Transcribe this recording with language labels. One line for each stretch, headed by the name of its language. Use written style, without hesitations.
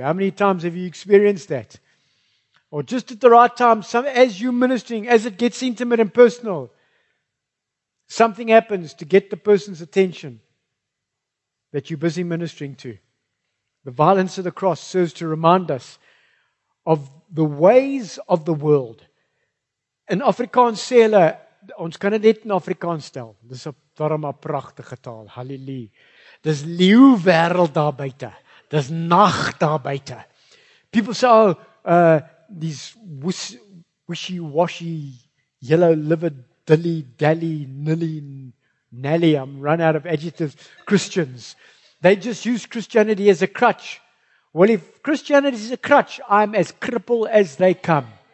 English: How many times have you experienced that? Or just at the right time, as you're ministering, as it gets intimate and personal, something happens to get the person's attention that you're busy ministering to. The violence of the cross serves to remind us of the ways of the world.
Afrikaans: In Afrikaans sê hulle, ons kan dit net in Afrikaans stel. Dis 'n darm 'n pragtige taal. Halleluja. Dis leeu wêreld daar buite. Dis nag daar buite.
English: People say, these wishy-washy, yellow-livered, dilly, dally, nilly, nally, I'm run out of adjectives, Christians. They just use Christianity as a crutch. Well, if Christianity is a crutch, I'm as crippled as they come.